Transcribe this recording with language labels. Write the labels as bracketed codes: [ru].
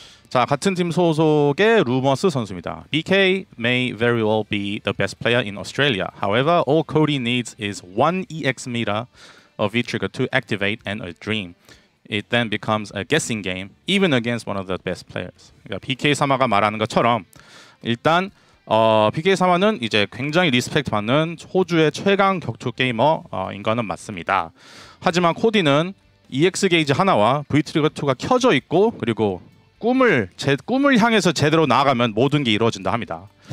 [ko] 자, 같은 팀 소속의 루머스 선수입니다. [en] BK may very well be the best player in Australia. However, all Cody needs is one EX meter of V-trigger to activate and a dream. It then becomes a guessing game, even against one of the best players. [ko] 그러니까 BK 사마가 말하는 것처럼 일단 BK 사마는 이제 굉장히 리스펙트 받는 호주의 최강 격투 게이머 인 거는 맞습니다. 하지만 코디는 EX 게이지 하나와 V-Trigger 2가 켜져 있고 그리고 꿈을 향해서 제대로 나아가면 모든 게 이루어진다 합니다.